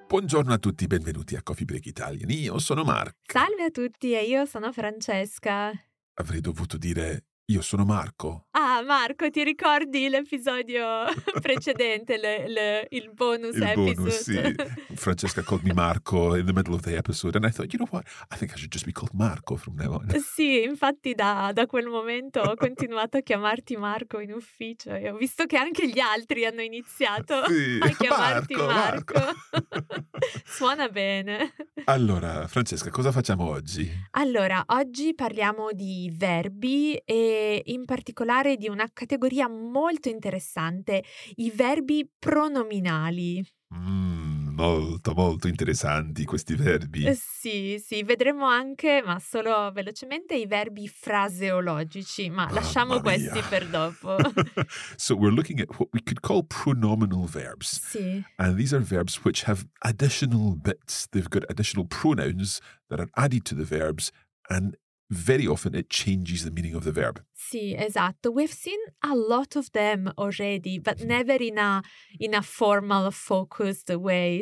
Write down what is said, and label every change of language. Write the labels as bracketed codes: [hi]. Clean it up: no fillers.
[it] Buongiorno a tutti, benvenuti a Coffee Break Italian. Io sono Marco. Salve a tutti, e io sono Francesca. Avrei dovuto dire... Io sono Marco. Ah, Marco, ti ricordi l'episodio precedente, il bonus episode? Il bonus, sì. [en] Francesca called me Marco in the middle of the episode and I thought, you know what, I think I should just be called Marco from now on. [it] Sì, infatti da quel momento ho continuato a chiamarti Marco in ufficio e ho visto che anche gli altri hanno iniziato sì, a chiamarti Marco. Suona bene. Allora, Francesca, cosa facciamo oggi? Allora, oggi parliamo di verbi e in particolare di una categoria molto interessante, i verbi pronominali. Molto, molto interessanti questi verbi. Sì, sì, vedremo anche, ma solo velocemente, i verbi fraseologici, ma lasciamo questi per dopo. [en] So we're looking at what we could call pronominal verbs. [it] Sì. [en] And these are verbs which have additional bits. They've got additional pronouns that are added to the verbs and very often it changes the meaning of the verb. [it] Sì, esatto. [en] We've seen a lot of them already, but never in a formal, focused way.